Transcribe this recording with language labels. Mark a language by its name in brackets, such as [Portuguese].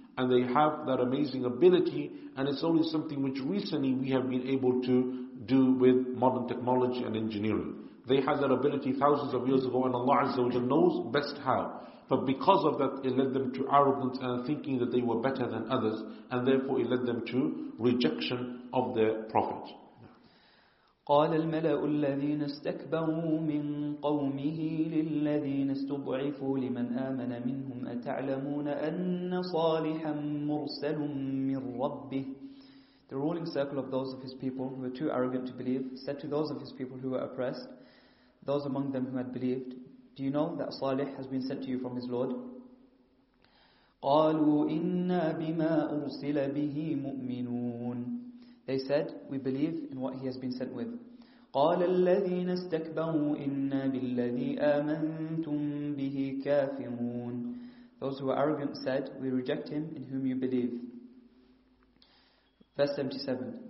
[English] And they have that amazing ability, and it's only something which recently we have been able to do with modern technology and engineering. They had that ability thousands of years ago, and Allah Azza wa Jalla knows best how. But because of that, it led them to arrogance and thinking that they were better than others, and therefore it led them to rejection of their Prophet. [Arabic] قال الملأ الذين استكبروا من قومه للذين استضعفوا لمن آمن منهم أتعلمون أن صالحا مرسل من ربه. [English] The ruling circle of those of his people who were too arrogant to believe said to those of his people who were oppressed, those among them who had believed, do you know that Salih has been sent to you from his Lord? [Arabic] قالوا إنا بما أرسل به مؤمنون. [English] They said, "We believe in what he has been sent with." [Arabic] قَالَ الَّذِينَ اسْتَكْبَرُوا إِنَّا بِالَّذِي آمَنْتُمْ بِهِ كَافِرُونَ [English] Those who are arrogant said, "We reject him in whom you believe." Verse 77.